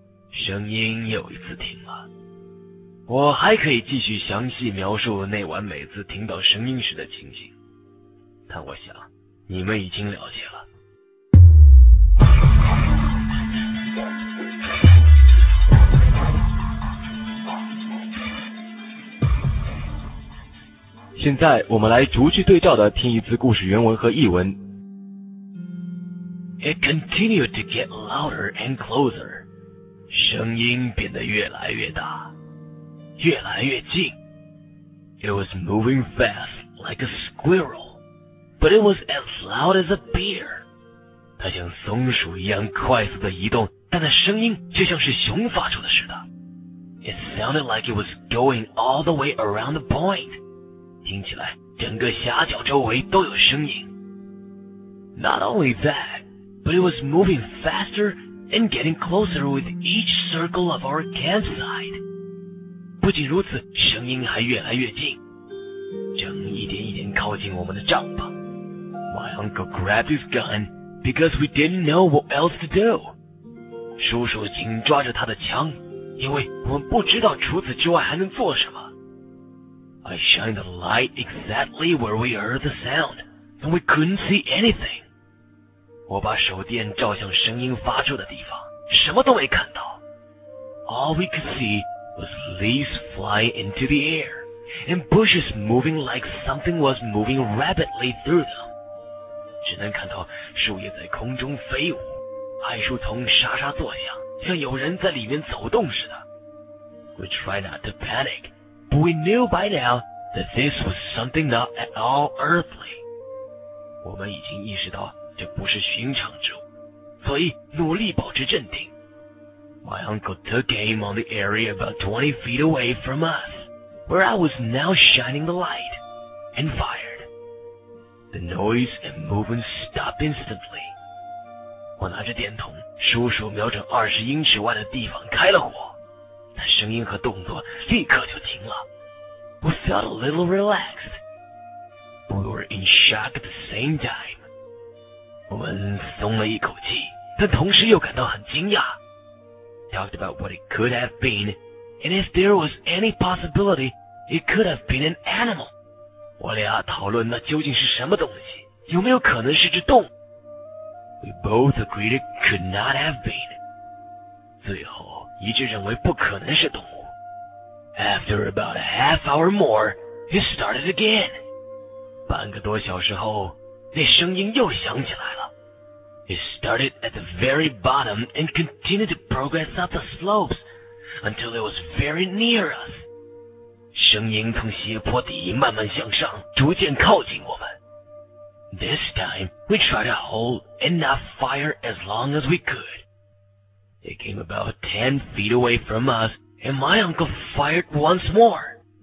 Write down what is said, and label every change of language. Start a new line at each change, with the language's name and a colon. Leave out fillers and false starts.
Chinese: 声音又一次停了。我还可以继续详细描述那晚每次听到声音时的情形，但我想你们已经了解了。现在我们来逐句对照的听一次故事原文和译文。
English: It continued to get louder and closer.
Chinese: 声音变得越来越大，越来越近。
English: It was moving fast like a squirrel, but it was as loud as a bear.
Chinese: 它像松鼠一样快速的移动，但的声音却像是熊发出的似的。
English: It sounded like it was going all the way around the point.
Chinese: 听起来整个峡角周围都有声音。
English: Not only that, but it was moving faster and getting closer with each circle of our campsite.
Chinese: 不仅如此，声音还越来越近，正一点一点靠近我们的帐篷。
English: My uncle grabbed his gun because we didn't know what else to do.
Chinese: 叔叔紧抓着他的枪，因为我们不知道除此之外还能做什么。
English: I shined the light exactly where we heard the sound, and we couldn't see anything.
Chinese: 我把手电照向声音发出的地方，什么都没看到。
English: All we could see was leaves flying into the air, and bushes moving like something was moving rapidly through them.
Chinese: 只能看到树叶在空中飞舞，矮树丛沙沙作响，像有人在里面走动似的。
English: We tried not to panic. But we knew by now that this was something not at all earthly.
Chinese: 我们已经意识到这不是寻常之物，所以努力保持镇定。
English: My uncle took aim on the area about 20 feet away from us, where I was now shining the light, and fired. The noise and movement stopped instantly.
Chinese: 我拿着电筒，叔叔瞄准20英尺外的地方开了火。但声音和动作立刻就停了。
English: We felt a little relaxed. We were in shock at the same time.
Chinese: 我们松了一口气，但同时又感到很惊讶。
English: Talked about what it could have been, and if there was any possibility, it could have been an animal.
Chinese: 我俩讨论那究竟是什么东西，有没有可能是只动
English: 物。We both agreed it could not have been.
Chinese: 最后一致认为不可能是动物。
English: After about a half hour more, it started again.
Chinese: 半个多小时后，那声音又响起来了。
English: It started at the very bottom and continued to progress up the slopes until it was very near us.
Chinese: 声音从斜坡底慢慢向上，逐渐靠近我们。
English: This time, we tried to hold and not fire as long as we could. It came about 10 feet away from us, and my uncle fired once more.